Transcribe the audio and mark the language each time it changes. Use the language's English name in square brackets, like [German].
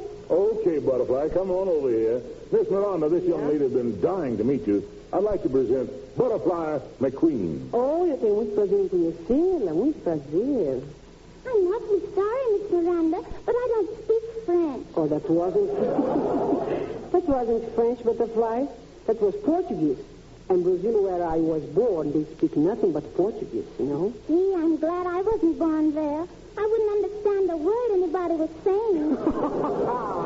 [English] Okay, Butterfly, come on over here. Miss Miranda, this young lady has been dying to meet you. I'd like to present Butterfly McQueen. [Portuguese] Oh, eu tenho muito prazer em conhecê-la, muito prazer. [English] I'm awfully sorry, Miss Miranda, but I don't speak French. Oh, that wasn't... that wasn't French, Butterfly. That was Portuguese. And Brazil, where I was born, they speak nothing but Portuguese, you know? Gee, I'm glad I wasn't born there. I wouldn't understand a word anybody was saying.